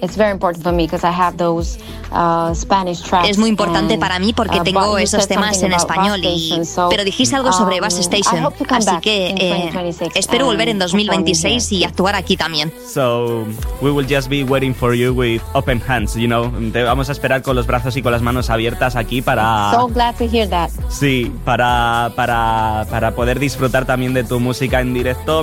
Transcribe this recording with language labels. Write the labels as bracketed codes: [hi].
[en] It's very important for me because I have those Spanish tracks. [es] Es muy importante and, para mí porque tengo esos temas en español. Y, [en] so, [es] pero dijiste algo sobre Bus Station, así que espero volver en 2026 y actuar aquí también. [en] So we will just be waiting for you with open hands, you know. [es] Te vamos a esperar con los brazos y con las manos abiertas aquí para. [en] So glad to hear that. [es] Sí, para poder disfrutar también de tu música en directo.